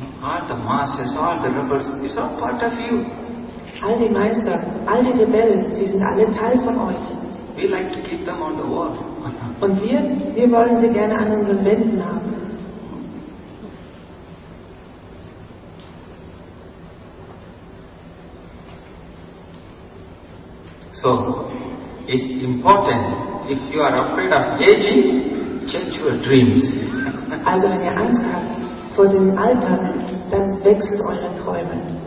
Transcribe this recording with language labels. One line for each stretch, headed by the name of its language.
English: You know, all the masters, all the rebels, it's all part of you.
German: All die Meister, all die Rebellen, sie sind alle Teil von euch.
English: We like to keep them on the wall.
German: Und wir wollen sie gerne an unseren Wänden haben.
English: So, it's important, if you are afraid of aging, change your dreams.
German: Also, wenn ihr Angst habt vor dem Alter, dann wechselt eure Träume.